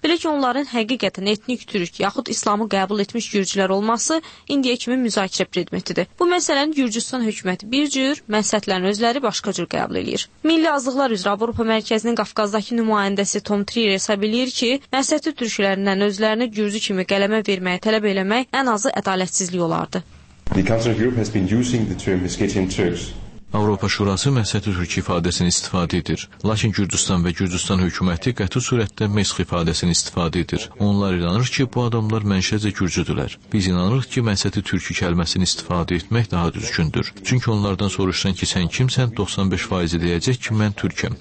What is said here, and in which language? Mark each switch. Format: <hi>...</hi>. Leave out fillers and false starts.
<az>Belə ki, onların həqiqət etnik türk yaxud İslamı qəbul etmiş gürcülər olması indiyə kimi müzakirə predmetidir. Bu məsələni Gürcüstan hökuməti bir cür, məsələn özləri başqa cür qəbul edir. Milli azlıqlar üzrə Avropa Mərkəzinin Qafqazdakı nümayəndəsi Tom Trier hesab edir ki, məsəti türklərindən özlərini gürcü kimi qələmə verməyə tələb eləmək ən azı ədalətsizlik olardı.</az> <en>The Council of Europe has been using the term Meskhetian Turks.</en> <az>Avropa Şurası məsəti türk ifadəsini istifadə edir. Lakin Gürcüstan və Gürcüstan hökuməti qəti surətdə mesx ifadəsini istifadə edir. Onlar inanır ki, bu adamlar mənşəcə gürcüdürlər. Biz inanırıq ki, məsəti türk kəlməsini istifadə etmək daha düzgündür. Çünki onlardan soruşsan ki, sən kimsən, 95% deyəcək ki, mən türkəm.</az>